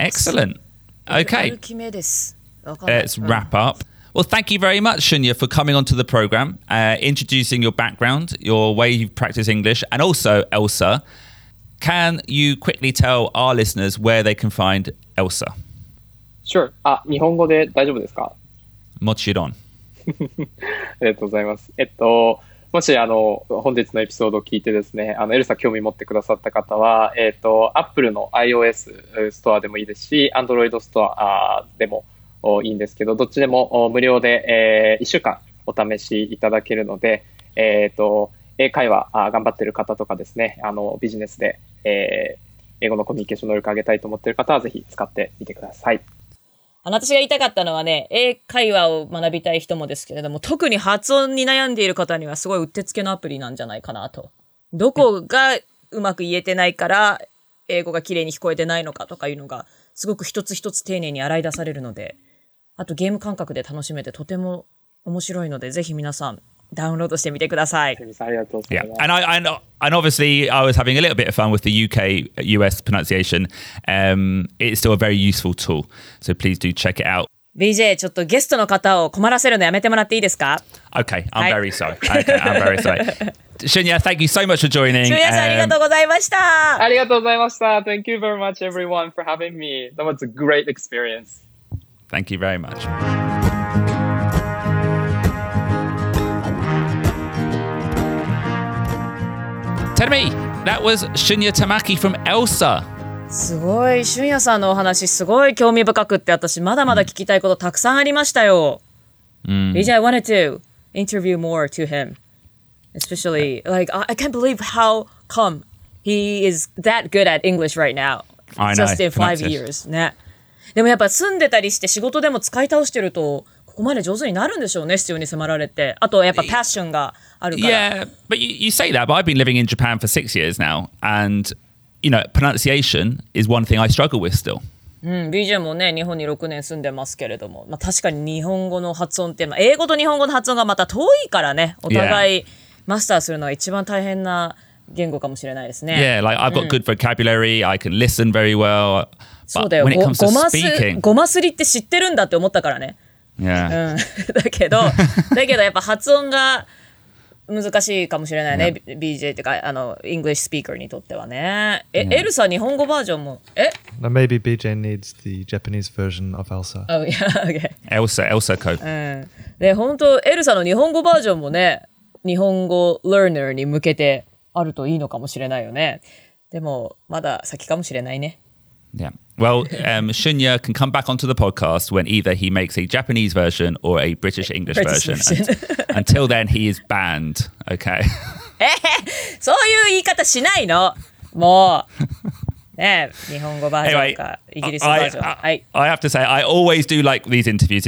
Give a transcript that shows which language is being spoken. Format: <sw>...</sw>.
<en>Excellent. Okay.</en> <ja>歩き目です。</ja> <en>Let's wrap up. Well, thank you very much, Shunya, for coming onto the program, introducing your background, your way you practice English, and also Elsa. Can you quickly tell our listeners where they can find Elsa? Sure.</en> <ja>Ah, 日本語で大丈夫ですか？もちろん。ありがとうございます。もしあの本日のエピソードを聞いてですね、あのエルサ興味持ってくださった方は、Apple の iOS ストアでもいいですし、Android ストアでも。いいんですけど、どっちでも無料で1週間お試しいただけるので、英会話頑張ってる方とかですね、ビジネスで、英語のコミュニケーション能力上げたいと思ってる方はぜひ使ってみてください。私が言いたかったのはね、英会話を学びたい人もですけれども、特に発音に悩んでいる方にはすごいうってつけのアプリなんじゃないかなと。どこがうまく言えてないから英語がきれいに聞こえてないのかとかいうのがすごく一つ一つ丁寧に洗い出されるので、あとゲーム感覚で楽しめてとても面白いので、ぜひ皆さんダウンロードしてみてください。</ja> <en>Yeah. And obviously I was having a little bit of fun with the UK US pronunciation. It's still a very useful tool. So please do check it out.</en> <ja>BJ, ちょっとゲストの方を困らせるのやめてもらっていいですか?</ja> <en>Okay, I'm very sorry. Okay, I'm very sorry. Shunya, thank you so much for joining.</en> <ja>Shunya さん、ありがとうございました。ありがとうございました。</ja> <en>Thank you very much everyone for having me. That was a great experience. Thank you very much. Tell me, that was Shunya Tamaki from ELSA.</en> <ja>すごい、Shunya さんのお話すごい興味深くって、私まだまだ聞きたいことたくさんありましたよ。</ja> <en>BJ, I wanted to interview more to him. Especially, like, I can't believe how come he is that good at English right now. I know. Just in five years. ね。</en> <ja>でもやっぱ住んでたりして仕事でも使い倒してるとここまで上手になるんでしょうね、必要に迫られて。あとやっぱパッションがあるから。</ja> <en>Yeah, but you say that, but I've been living in Japan for 6 years now, and you know, pronunciation is one thing I struggle with still.</en> <ja>BJ もね、日本に6年住んでますけれども、まあ、確かに日本語の発音って、まあ、英語と日本語の発音がまた遠いからね、お互いマスターするのが一番大変な言語かもしれないですね。</ja> <en>Yeah, like I've got good vocabulary, I can listen very well, but when it comes to speaking...</en> <ja>ごますりって知ってるんだって思ったからね。</ja> <en>Yeah.</en> <ja>だけどやっぱ発音が難しいかもしれないね、BJ っていうか、</ja> <en>English speaker</en> <ja>にとってはね。エルサ日本語バージョンも、</ja> <en>Maybe BJ needs the Japanese version of Elsa. Oh, yeah, okay. Elsa code.</en> <ja>で、本当、エルサの日本語バージョンもね、日本語 learner に向けてあるといいのかもしれないよね。でも、まだ先かもしれないね。</ja> <en>Yeah. Well, Shunya can come back onto the podcast when either he makes a Japanese version or a British-English version. Until then, he is banned. Okay.</en> <ja>そういう言い方しないの?もう。ね、日本語バージョンか、イギリスバージョン。</ja> <en>I have to say, I always do like these interviews.</en>